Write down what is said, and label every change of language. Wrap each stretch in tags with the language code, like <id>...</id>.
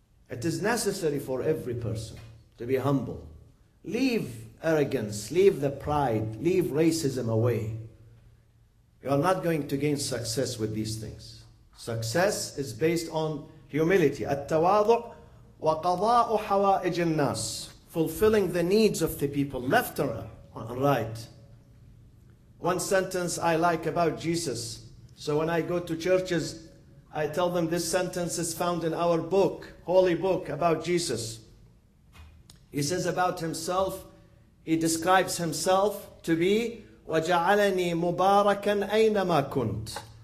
<en>It is necessary for every person to be humble. Leave arrogance, leave the pride, leave racism away. You are not going to gain success with these things. Success is based on humility.</en> <ar>التواضع وقضاء حوائج الناس.</ar> <en>Fulfilling the needs of the people, left and right. One sentence I like about Jesus. So when I go to churches, I tell them this sentence is found in our book, holy book about Jesus. He says about himself, he describes himself to be,</en> <ar>وَجَعَلَنِي مُبَارَكًا أَيْنَمَا كُنْتُ.</ar>